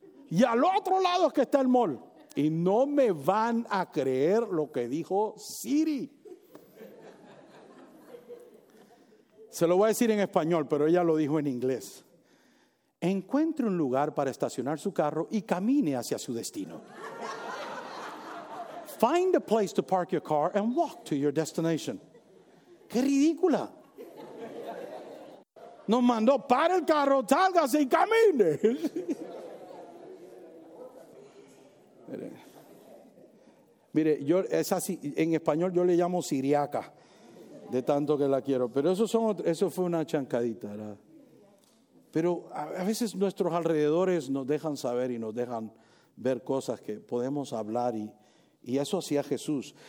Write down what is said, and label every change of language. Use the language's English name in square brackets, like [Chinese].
[Spanish] Y al otro lado es que está el mall. Y no me van a creer lo que dijo Siri. Se lo voy a decir en español, pero ella lo dijo en inglés. Encuentre un lugar para estacionar su carro y camine hacia su destino. [English] Find a place to park your car and walk to your destination. [Spanish] ¡Qué ridícula! Nos mandó, para el carro, sálgase y camine. Mire, yo es así, en español yo le llamo siriaca, de tanto que la quiero. Pero eso fue una chancadita, ¿verdad? Pero a veces nuestros alrededores nos dejan saber y nos dejan ver cosas que podemos hablar y eso hacía Jesús.